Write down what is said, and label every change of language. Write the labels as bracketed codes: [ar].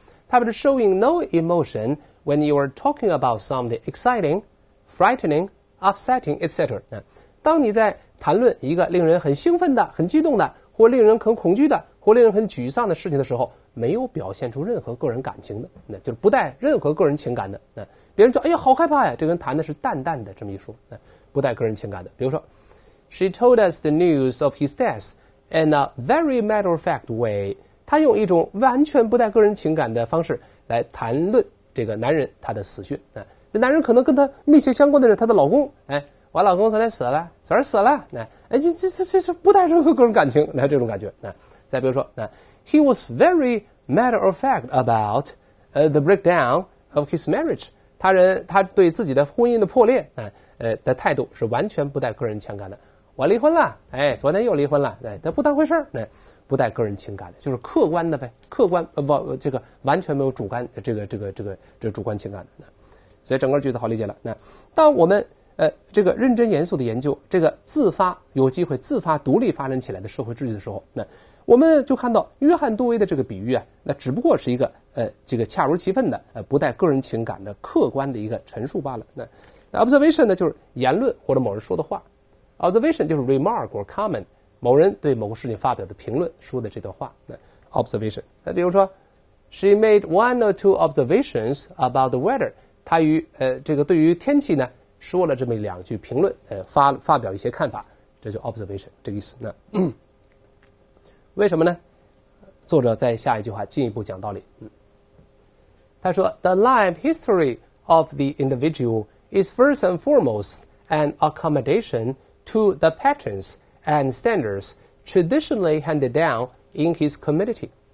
[zh] 那它表示 [en] showing no emotion when you are talking about something exciting, frightening, upsetting, etc. [zh] 当你在谈论一个令人很兴奋的、很激动的，或令人很恐惧的，或令人很沮丧的事情的时候，没有表现出任何个人感情的，那就是不带任何个人情感的。那别人就哎呀，好害怕呀！这个人谈的是淡淡的这么一说，不带个人情感的。 [en] 比如说 ，She told us the news of his death in a very matter-of-fact way. [zh] 她用一种完全不带个人情感的方式来谈论这个男人他的死讯。这男人可能跟他密切相关的是他的老公，我老公昨天死了，昨天死了，这不带任何个人感情，这种感觉。 [en] 再比如说，He was very matter of fact about the breakdown of his marriage. [zh] 他对自己的婚姻的破裂的态度是完全不带个人情感的。我离婚了，昨天又离婚了，他不当回事儿，不带个人情感的，就是客观的呗，客观这个完全没有主观这个主观情感的。所以整个句子好理解了。那当我们这个认真严肃的研究，这个自发有机会自发独立发展起来的社会秩序的时候，那我们就看到约翰杜威的这个比喻啊，那只不过是一个这个恰如其分的不带个人情感的客观的一个陈述罢了。那 observation 呢，就是言论或者某人说的话。observation 就是 [en] remark or comment， [zh] 某人对某个事情发表的评论说的这段话。那 observation， 那比如说 [en] she made one or two observations about the weather， [zh] 她与这个对于天气呢说了这么两句评论，发表一些看法，这就 observation 这个意思。那为什么呢？作者在下一句话进一步讲道理。 [en] 他说 The life history of the individual is first and foremost an accommodation to the patterns and standards traditionally handed down in his community。